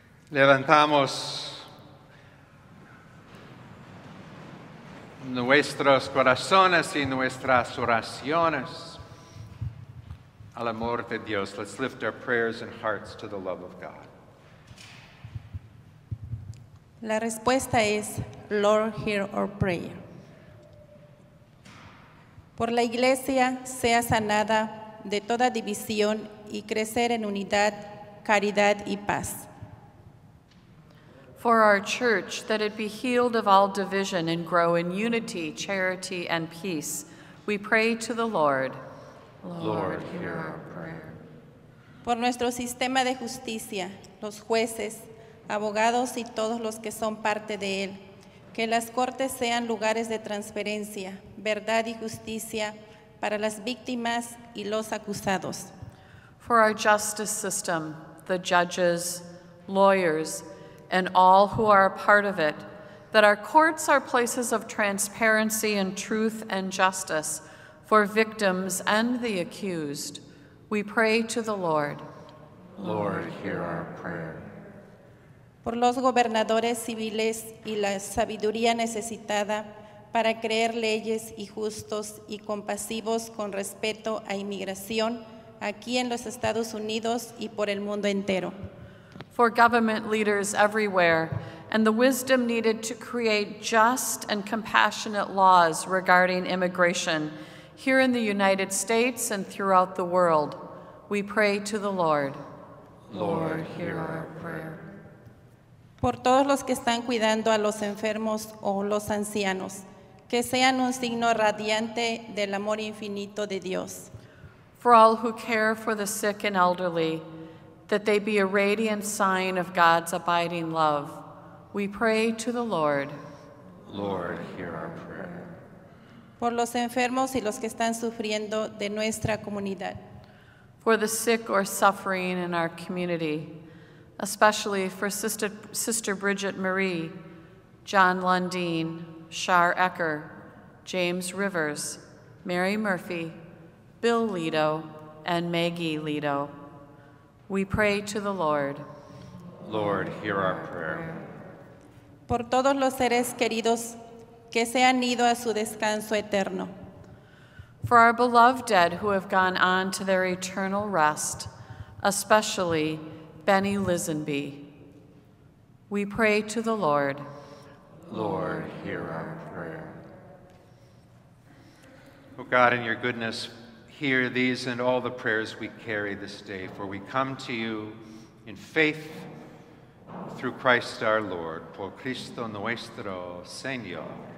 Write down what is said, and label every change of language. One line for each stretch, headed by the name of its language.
Spanish: Levantamos nuestros corazones y nuestras oraciones al amor de Dios.
English: Let's lift our prayers and hearts to the love of God.
Spanish: La respuesta es,
English: Lord, hear our prayer.
Spanish: Por la iglesia, sea sanada de toda división y crecer en unidad, caridad y paz.
English: For our church, that it be healed of all division and grow in unity, charity, and peace, we pray to the Lord. Lord, hear our prayer.
Spanish: Por nuestro sistema de justicia, los jueces, abogados y todos los que son parte de él, que las cortes sean lugares de transferencia, verdad y justicia para las víctimas y los acusados.
English: For our justice system, the judges, lawyers, and all who are a part of it, that our courts are places of transparency and truth and justice for victims and the accused. We pray to the Lord. Lord, hear our prayer.
Spanish: Por los gobernadores civiles y la sabiduría necesitada para crear leyes y justos y compasivos con respeto a inmigración aquí en los Estados Unidos y por el mundo entero.
English: For government leaders everywhere and the wisdom needed to create just and compassionate laws regarding immigration here in the United States and throughout the world. We pray to the Lord. Lord, hear our prayer.
Spanish: Por todos los que están cuidando a los enfermos o los ancianos, que sean un signo radiante del amor infinito de Dios.
English: For all who care for the sick and elderly, that they be a radiant sign of God's abiding love. We pray to the Lord. Lord, hear our prayer.
Spanish: Por los enfermos y los que están sufriendo de nuestra comunidad.
English: For the sick or suffering in our community, especially for Sister Bridget Marie, John Lundeen, Shar Ecker, James Rivers, Mary Murphy, Bill Lido, and Maggie Lido. We pray to the Lord. Lord, hear our prayer.
Spanish: Por todos los seres queridos que se han ido a su descanso eterno.
English: For our beloved dead who have gone on to their eternal rest, especially Benny Lisenby. We pray to the Lord. Lord, hear our prayer. O God, in your goodness, hear these and all the prayers we carry this day, for we come to you in faith through Christ our Lord,
Spanish: por Cristo nuestro Señor.